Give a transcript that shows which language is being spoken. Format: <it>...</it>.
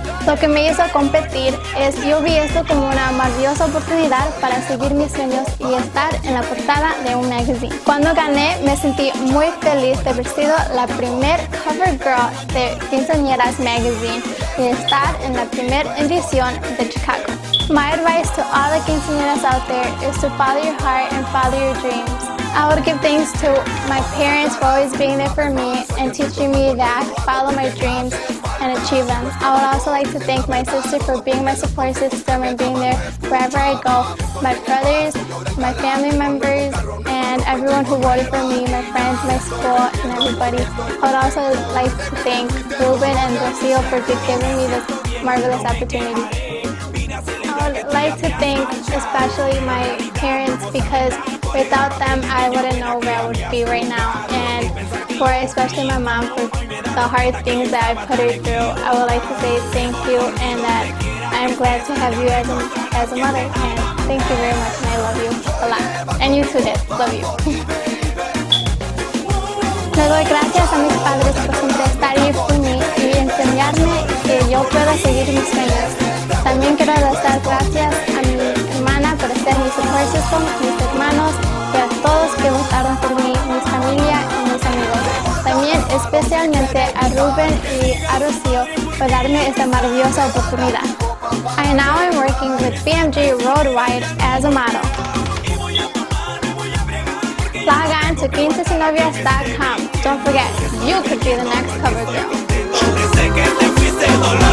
<es>Lo que me hizo competir es yo vi esto como una maravillosa oportunidad para seguir mis sueños y estar en la portada de un magazine. Cuando gané, me sentí muy feliz de haber sido la primer cover girl de Quinceañeras Magazine y estar en la primera edición de Chicago.</es> <en>My advice to all the quinceañeras out there is to follow your heart and follow your dreams. I would give thanks to my parents for always being there for me and teaching me that I could follow my dreams and achieve them. I would also like to thank my sister for being my support system and being there wherever I go, my brothers, my family members, and everyone who voted for me, my friends, my school, and everybody. I would also like to thank Ruben and Rocio for giving me this marvelous opportunity. I would like to thank especially my parents because without them, I wouldn't know where I would be right now. And for especially my mom for the hard things that I put her through, I would like to say thank you and that I'm glad to have you as a mother. And thank you very much and I love you a lot. And you too, Dad. Love you.</en> <es>Le doy gracias a mis padres por siempre estar ahí por mí y enseñarme que yo pueda seguir mis sueños. También quiero dar gracias a mi hermana por ser mi</es> <en>support system,</en> <es>mis hermanos y a todos que votaron por mí, mi familia y mis amigos. También especialmente a Ruben y a Rocio por darme esta maravillosa oportunidad.</es> <en>I now am working with BMG Worldwide as a model. Log on to quinceañeras.com. Don't forget, you could be the next cover girl.</en>